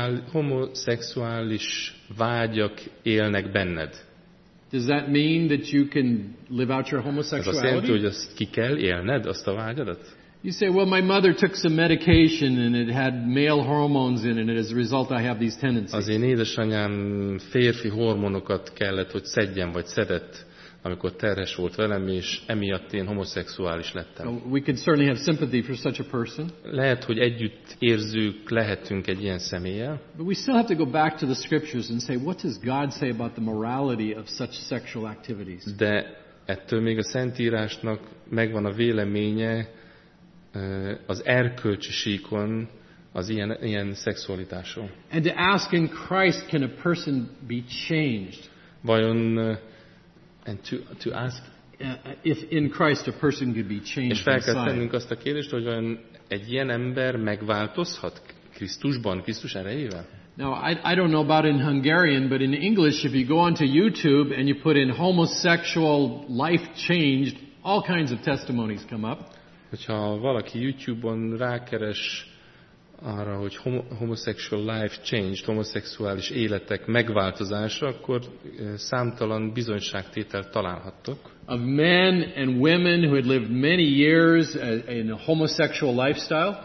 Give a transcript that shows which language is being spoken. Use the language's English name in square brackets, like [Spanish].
[Hungarian] Homoszexuális vágyak élnek benned. [English] Does that mean that you can live out your homosexuality? [Hungarian] Ez azt jelenti, hogy azt ki kell élned, azt a vágyadat? [English] You say, well, my mother took some medication and it had male hormones in it, and as a result I have these tendencies. [Hungarian] Az én édesanyám férfi hormonokat kellett, hogy szedjen vagy szedett, amikor terhes volt velem, és emiatt én homoszexuális lettem. [English] So we can certainly have sympathy for such a person. [Hungarian] Lehet, hogy együtt érzők lehetünk egy ilyen személlyel. [English] But we still have to go back to the scriptures and say, what does God say about the morality of such sexual activities? [Hungarian] De ettől még a Szentírásnak megvan a véleménye az erkölcsiségon, az ilyen szexualitásról. [English] And to ask in Christ, can a person be changed? [Hungarian] Vajon, [English] and to ask if in Christ a person could be changed. [Hungarian] És fel kell tennünk azt a kérdést, hogy vajon egy ilyen ember megváltozhat Krisztusban, Krisztus erejével? [English] Now I don't know about in Hungarian, but in English, if you go onto YouTube and you put in homosexual life changed, all kinds of testimonies come up. [Hungarian] Hogyha valaki YouTube-on rákeres arra, hogy [English] homosexual life changed, [Hungarian] homoszexuális életek megváltozása, akkor számtalan bizonyságtételt találhattok. [English] Of men and women who had lived many years in a homosexual lifestyle.